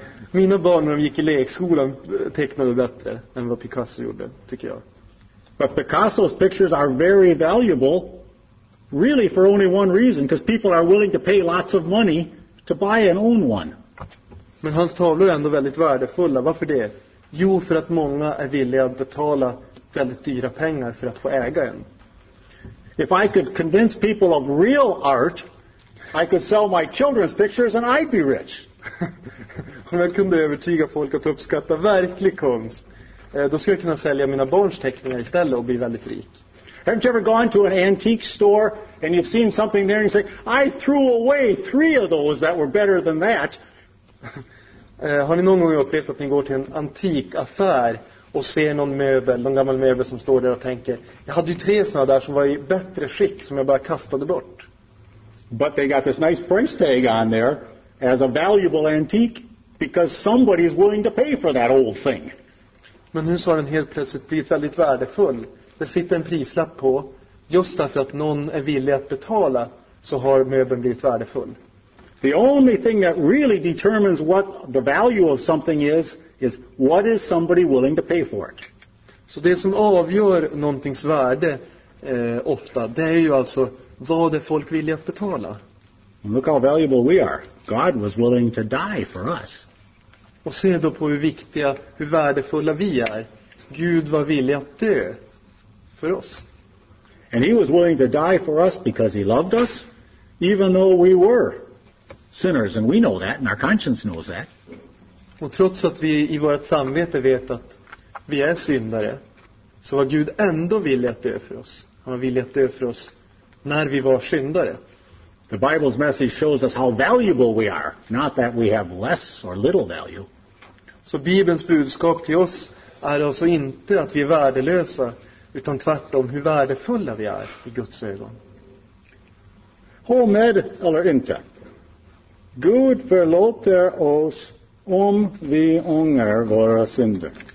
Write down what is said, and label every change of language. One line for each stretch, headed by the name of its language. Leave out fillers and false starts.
Swedish: Mina barn när de gick i lekskolan tecknade bättre än vad Picasso gjorde, tycker jag.
English: But Picasso's pictures are very valuable, really for only one reason, because people are willing to pay lots of money to buy and own one.
Swedish: Men hans tavlor är ändå väldigt värdefulla. Varför det? Jo, för att många är villiga att betala väldigt dyra pengar för att få äga en.
English: If I could convince people of real art, I could sell my children's pictures and I'd be rich.
Swedish: Om jag kunde övertyga folk att uppskatta verklig konst, då skulle jag kunna sälja mina barns teckningar istället och bli väldigt rik.
English: Haven't you ever gone to an antique store and you've seen something there and you say, I threw away three of those that were better than that.
Swedish: Har ni någon gång upplevt att ni går till en antik affär och ser någon möbel, någon gammal möbel som står där och tänker, jag hade ju tre sådana där som var i bättre skick som jag bara kastade bort.
English: But they got this nice price tag on there as a valuable antique because somebody is willing to pay for that old thing.
Swedish: Men nu så har den helt plötsligt blivit väldigt värdefull. Det sitter en prislapp på, just därför att någon är villig att betala så har möbeln blivit värdefull.
English: The only thing that really determines what the value of something is what is somebody willing to pay for it.
Swedish: Så det som avgör någontings värde ofta, det är ju alltså vad är folk villiga att betala.
English: And look how valuable we are. God was willing to die for us.
Swedish: Och se då på hur viktiga, hur värdefulla vi är. Gud var villig att dö för oss.
English: And he was willing to die for us because he loved us, even though we were sinners, and we know that, and our conscience knows that.
Swedish: Och trots att vi i vårt samvete vet att vi är syndare, så var Gud ändå villig att dö för oss. Han var villig att dö för oss när vi var syndare.
English: The Bible's message shows us how valuable we are, not that we have less or little value.
Swedish: Så Bibelns budskap till oss är alltså inte att vi är värdelösa, utan tvärtom hur värdefulla vi är i Guds ögon. Homed eller inte. Gud förlåter oss om vi ångrar våra synder.